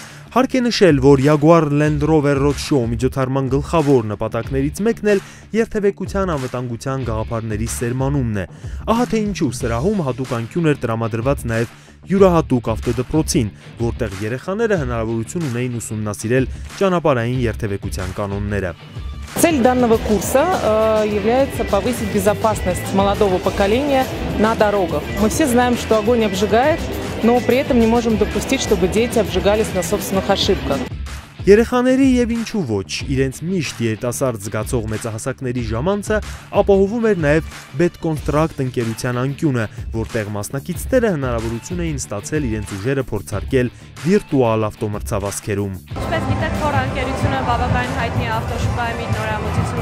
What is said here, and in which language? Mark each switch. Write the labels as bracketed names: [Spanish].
[Armenian] Հարկ է նշել, որ Jaguar Land Rover Roadshow միջոցառման գլխավոր նպատակներից մեկն էլ երթևեկության անվտանգության գաղափարների սերմանումն է։ Ահա թե ինչու սրահում հատուկ անկյուն էր տրամադրված նաև յուրահատուկ ավտոդպրոցին, որտեղ երեխաները հնարավորություն ունեին ուսումնասիրել ճանապարհային երթևեկության կանոնները։ [Russian] Цель данного курса является повысить безопасность молодого поколения на дорогах. Мы все знаем, что огонь обжигает, но при этом не можем допустить, чтобы дети обжигались на собственных ошибках. [Armenian] Երեխաների եւ ինչու ոչ, իրենց միշտ երիտասարդ զգացող մեծահասակների ժամանցը ապահովում էր նաեւ Բետկոնտրակտ ընկերության անկյունը, որտեղ մասնակիցները հնարավորություն էին ստացել իրենց ուժերը փորձարկել վիրտուալ ավտոմրցավազքերում։ Ինչպես գիտեք, Ռոր ընկերությունը բավական հայտնի ավտոշուկայի նորամուծություն